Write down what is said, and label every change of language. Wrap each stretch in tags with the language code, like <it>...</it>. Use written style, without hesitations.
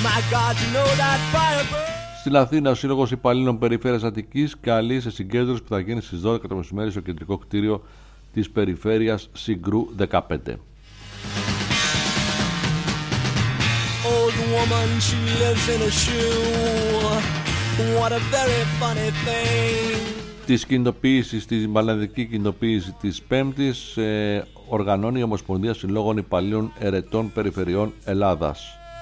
<en>God, you know that fire.</en> <el>Στην Αθήνα, ο Σύλλογος Υπαλλήλων Περιφέρειας Αττικής καλεί σε συγκέντρωση που θα γίνει στις 12 το μεσημέρι στο κεντρικό κτίριο της περιφέρειας Συγκρού 15.</el> <en>Old woman, she lives in a shoe. What a very funny thing.</en> <el>Της κινητοποίησης, της μπαλανδική κινητοποίηση της 5ης οργανώνει η Ομοσπονδία Συλλόγων Υπαλλήλων Ερετών Περιφερειών Ελλάδας.</el>